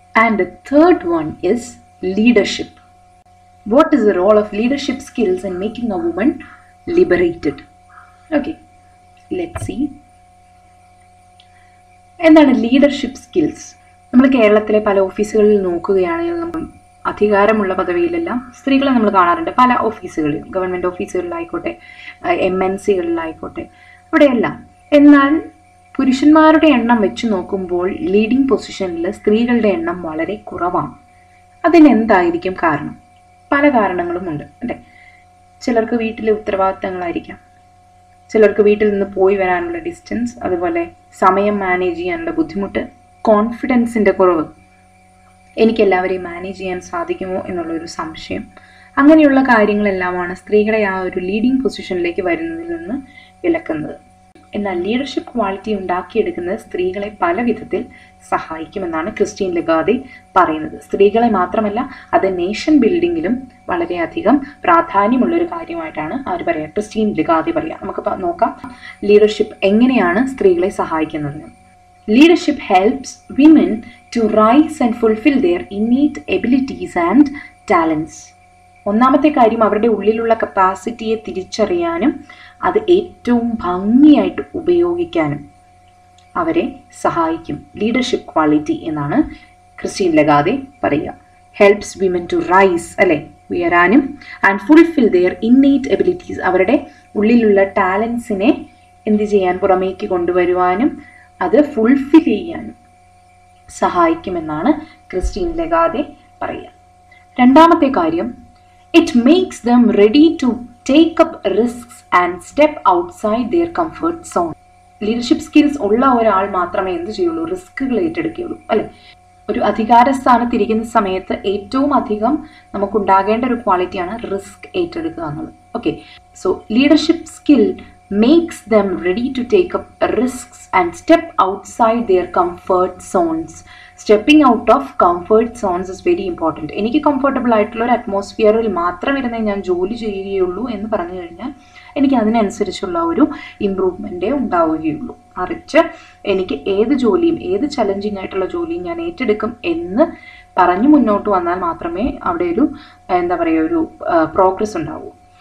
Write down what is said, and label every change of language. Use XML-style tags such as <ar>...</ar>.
<en>And the third one is leadership. What is the role of leadership skills in making a woman liberated? Okay, let's see endana leadership skills.</en> <ml>Nammal Keralathile pala officesgalil nokkugiyaanal nammal അധികാരമുള്ള പദവിയിലെല്ലാം സ്ത്രീകളെ നമ്മൾ കാണാറുണ്ട്. പല ഓഫീസുകളിലും, government ഓഫീസുകളിലായിക്കോട്ടെ, MNCകളിലായിക്കോട്ടെ, അവിടെയെല്ലാം. എന്നാൽ പുരുഷന്മാരുടെ എണ്ണം വെച്ച് നോക്കുമ്പോൾ ലീഡിംഗ് പൊസിഷനിൽ സ്ത്രീകളുടെ എണ്ണം വളരെ കുറവാണ്. അതിനെന്തായിരിക്കും കാരണം? പല കാരണങ്ങളും ഉണ്ട് അല്ലേ. ചിലർക്ക് വീട്ടിലെ ഉത്തരവാദിത്തങ്ങളായിരിക്കാം, ചിലർക്ക് വീട്ടിൽ നിന്ന് പോയി വരാനുള്ള ഡിസ്റ്റൻസ്, അതുപോലെ സമയം മാനേജ് ചെയ്യാനുള്ള ബുദ്ധിമുട്ട്, കോൺഫിഡൻസിൻ്റെ കുറവ്, എനിക്ക് എല്ലാവരെയും മാനേജ് ചെയ്യാൻ സാധിക്കുമോ എന്നുള്ളൊരു സംശയം, അങ്ങനെയുള്ള കാര്യങ്ങളെല്ലാമാണ് സ്ത്രീകളെ ആ ഒരു ലീഡിംഗ് പൊസിഷനിലേക്ക് വരുന്നതിൽ നിന്ന് വിലക്കുന്നത്. എന്നാൽ ലീഡർഷിപ്പ് ക്വാളിറ്റി ഉണ്ടാക്കിയെടുക്കുന്നത് സ്ത്രീകളെ പല വിധത്തിൽ സഹായിക്കുമെന്നാണ് ക്രിസ്റ്റീൻ ലഗാർഡ് പറയുന്നത്. സ്ത്രീകളെ മാത്രമല്ല, അത് നേഷൻ ബിൽഡിങ്ങിലും വളരെയധികം പ്രാധാന്യമുള്ളൊരു കാര്യമായിട്ടാണ് ആര് പറയുക, ക്രിസ്റ്റീൻ ലഗാർഡ് പറയുക. നമുക്ക് നോക്കാം ലീഡർഷിപ്പ് എങ്ങനെയാണ് സ്ത്രീകളെ സഹായിക്കുന്നതെന്ന്.</ml> <en>Leadership helps women to rise and fulfill their innate abilities and talents.</en> <ml>ഒന്നാമത്തെ കാര്യം അവരുടെ ഉള്ളിലുള്ള കപ്പാസിറ്റിയെ തിരിച്ചറിയാനും അത് ഏറ്റവും ഭംഗിയായിട്ട് ഉപയോഗിക്കാനും അവരെ സഹായിക്കും ലീഡർഷിപ്പ് ക്വാളിറ്റി എന്നാണ് ക്രിസ്റ്റീൻ ലഗാർഡ് പറയുക.</ml> <en>Helps women to rise,</en> <ml>അല്ലേ, ഉയരാനും,</ml> <en>and fulfill their innate abilities,</en> <ml>അവരുടെ ഉള്ളിലുള്ള ടാലൻസിനെ എന്ത് ചെയ്യാൻ, പുറമേക്ക് കൊണ്ടുവരുവാനും അത് ഫുൾഫിൽ ചെയ്യാൻ സഹായിക്കുമെന്നാണ് ക്രിസ്റ്റീൻ ലഗാർഡ് പറയുക. രണ്ടാമത്തെ കാര്യം,</ml> <en>It makes them ready to take up risks and step outside their comfort zone.</en> <ml>Leadership skills ഉള്ള ഒരാൾ മാത്രമേ എന്ത് ചെയ്യുള്ളൂ, റിസ്ക്കുകൾ ഏറ്റെടുക്കുകയുള്ളൂ അല്ലേ. ഒരു അധികാരസ്ഥാനത്തിരിക്കുന്ന സമയത്ത് ഏറ്റവും അധികം നമുക്കുണ്ടാകേണ്ട ഒരു ക്വാളിറ്റിയാണ് റിസ്ക് ഏറ്റെടുക്കുക എന്നുള്ളത്.</ml> <en>Okay, so leadership skill makes them ready to take up risks and step outside their comfort zones. Stepping out of comfort zones is very important.</en> <ml>എനിക്ക് കംഫർട്ടബിൾ ആയിട്ടുള്ള ഒരു അറ്റ്മോസ്ഫിയറിൽ മാത്രം ഇരുന്ന് ഞാൻ ജോലി ചെയ്യുകയുള്ളൂ എന്ന് പറഞ്ഞു കഴിഞ്ഞാൽ എനിക്ക് അതിനനുസരിച്ചുള്ള ഒരു ഇമ്പ്രൂവ്മെൻറ്റേ ഉണ്ടാവുകയുള്ളൂ. മറിച്ച് എനിക്ക് ഏത് ജോലിയും, ഏത് ചലഞ്ചിങ് ആയിട്ടുള്ള ജോലിയും ഞാൻ ഏറ്റെടുക്കും എന്ന് പറഞ്ഞ് മുന്നോട്ട് വന്നാൽ മാത്രമേ അവിടെ ഒരു എന്താ പറയുക, ഒരു പ്രോഗ്രസ് ഉണ്ടാവൂ.</ml>